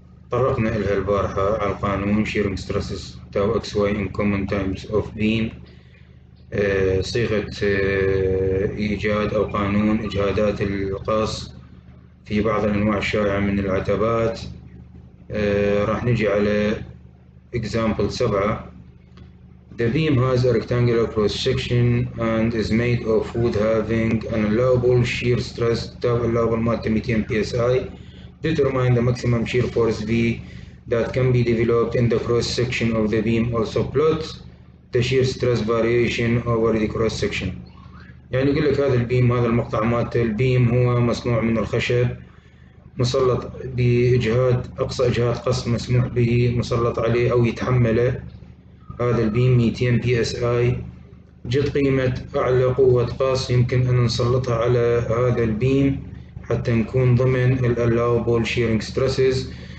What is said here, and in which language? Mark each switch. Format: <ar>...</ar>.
<ar>طرقنا إلها البارحة على القانون</ar> <en>Shearing Stresses tau x y in common times of beam,</en> <ar>صيغة إيجاد أو قانون إجهادات القص في بعض الأنواع الشائعة من العتبات. راح نجي على example 7.</ar> <en>The beam has a rectangular cross section and is made of wood having an allowable shear stress tau allowable mod 200 psi. Determine the maximum shear force V that can be developed in the cross section of the beam. Also plot the shear stress variation over the cross section.</en> <ar>يعني يقول لك هذا البيم، هذا المقطع مالته، البيم هو مصنوع من الخشب مسلط بإجهاد أقصى إجهاد قص مسموح به مسلط عليه أو يتحمله. هذا البيم 200 بي اس اي، جد قيمة أعلى قوة قص يمكن أن نسلطها على هذا البيم حتى نكون ضمن الـ allowable shearing stresses.</ar>